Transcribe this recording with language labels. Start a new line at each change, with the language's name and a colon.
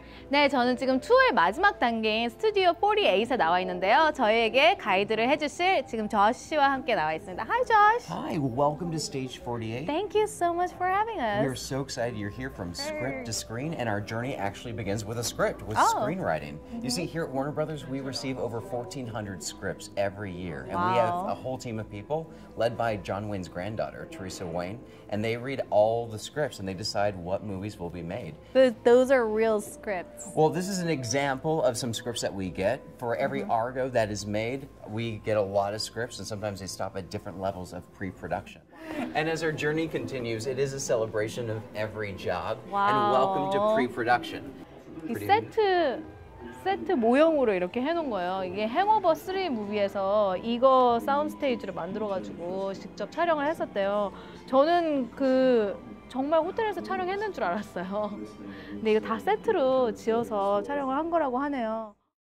Korean: 네, 저는 지금 투어의 마지막 단계인 스튜디오 48에 나와 있는데요. 저희에게 가이드를 해주실 지금 조시와 함께 나와 있습니다.
English: Hi, Josh. Hi, welcome to stage 48. Thank you so much for having us. We are so excited you're here from script to screen, and our journey actually begins with a script, with screenwriting. Mm-hmm. You see, here at Warner Brothers, we receive over 1,400 scripts every year. And we have a whole team of people led by John Wayne's granddaughter, Teresa Wayne, and they read all the scripts and they decide what movies will be made. But those are real scripts. Well, this is an example of some scripts that we get. For every Argo that is made, we get a lot of scripts and sometimes they stop at different levels of pre-production. And as our journey continues, it is a celebration of every job. Wow. And welcome to pre-production. It's set to...
Korean: 세트 모형으로 이렇게 해놓은 거예요. 이게 행오버 3 무비에서 이거 사운드스테이지를 만들어가지고 직접 촬영을 했었대요. 저는 그 정말 호텔에서 촬영했는 줄 알았어요. 근데 이거 다 세트로 지어서 촬영을 한 거라고 하네요.